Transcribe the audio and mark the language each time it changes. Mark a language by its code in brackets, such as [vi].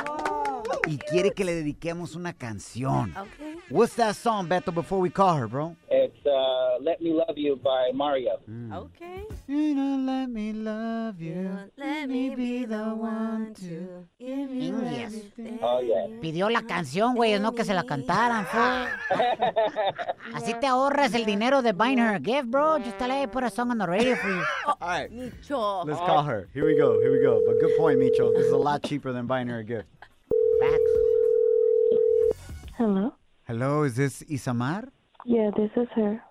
[es] Oh, y quiere que le dediquemos una canción. [en] Okay. What's that song, Beto, before we call her, bro? It's Let Me Love You by Mario. Mm. Okay. You know, let me love you. Let me be the one to give you yes. Everything. Oh, yeah. [es] Pidió la canción, güey, no que se la cantaran. Así te ahorras el dinero de [en] buying her a gift, bro. Just tell her to put a song on the radio for you. All right. Micho. Let's call her. Here we go. But good point, Micho. This is a lot cheaper than buying her a gift. Back. Hello? Is this Isamar? Yeah, this is her.